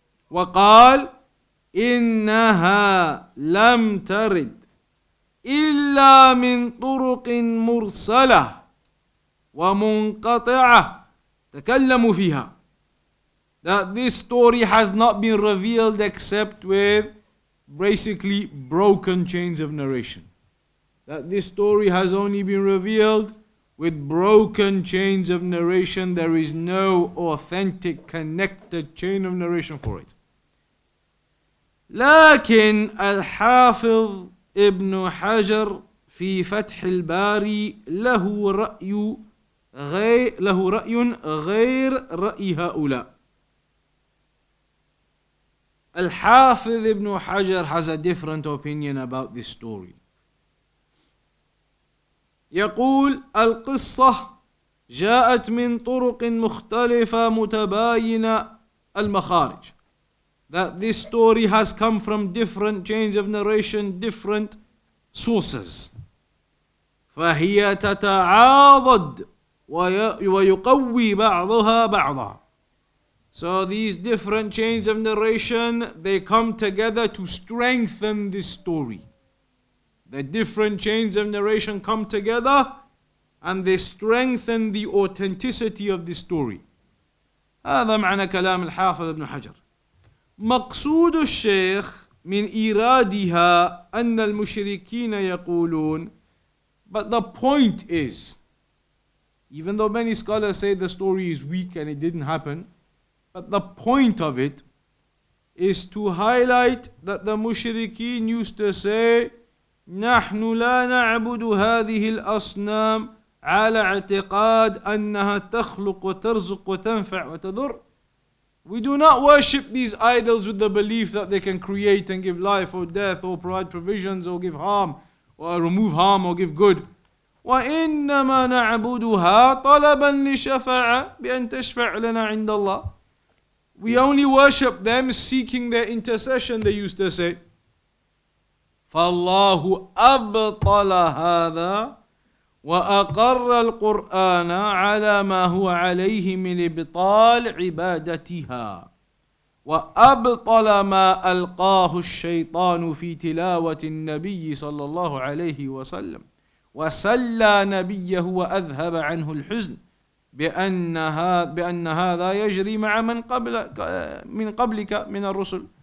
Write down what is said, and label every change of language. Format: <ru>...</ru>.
<ar>وقال إنها لم ترد إلا من طرق مرسلة ومنقطعة تكلموا فيها.</ar> <en>That this story has not been revealed except with basically broken chains of narration. That this story has only been revealed with broken chains of narration. There is no authentic connected chain of narration for it.</en> <ar>لكن الحافظ ابن حجر في فتح الباري له رأي غير له رأي غير رأي هؤلاء.</ar> <en>الحافظ ابن حجر has a different opinion about this story.</en> <ar>يقول القصة جاءت من طرق مختلفة متباينة المخارج.</ar> <en>That this story has come from different chains of narration, different sources.</en> <ar>فهي تتعاضد ويقوي بعضها بعضا.</ar> <en>So these different chains of narration, they come together to strengthen this story. The different chains of narration come together and they strengthen the authenticity of the story.</en> <ar>هذا معنى كلام الحافظ ابن حجر. مقصود الشيخ من إيرادها أن المشركين يقولون.</ar> <en>But the point is, even though many scholars say the story is weak and it didn't happen, but the point of it is to highlight that the mushrikeen used to say,</en> <ar>نحن لا نعبد هذه الأصنام على اعتقاد أنها تخلق وترزق وتنفع وتضر.</ar> <en>We do not worship these idols with the belief that they can create and give life or death or provide provisions or give harm or remove harm or give good.</en> <ar>وإنما نعبدها طلبا لشفاعة بأن تشفع لنا عند الله.</ar> <en>We only worship them seeking their intercession, they used to say.</en> <ar>فَاللَّهُ أَبْطَلَ هَذَا وَأَقَرَّ الْقُرْآنَ عَلَى مَا هُوَ عَلَيْهِ مِنْ إِبْطَالِ عِبَادَتِهَا وَأَبْطَلَ مَا أَلْقَاهُ الشَّيْطَانُ فِي تِلَاوَةِ النَّبِيِّ صلى الله عليه وسلم وَسَلَّى نَبِيَّهُ وَأَذْهَبَ عَنْهُ الْحُزْنِ بِأَنَّ هَذَا يَجْرِي مَعَ مِنْ قَبْلِكَ مِنَ الرُّسُلِ.</ar>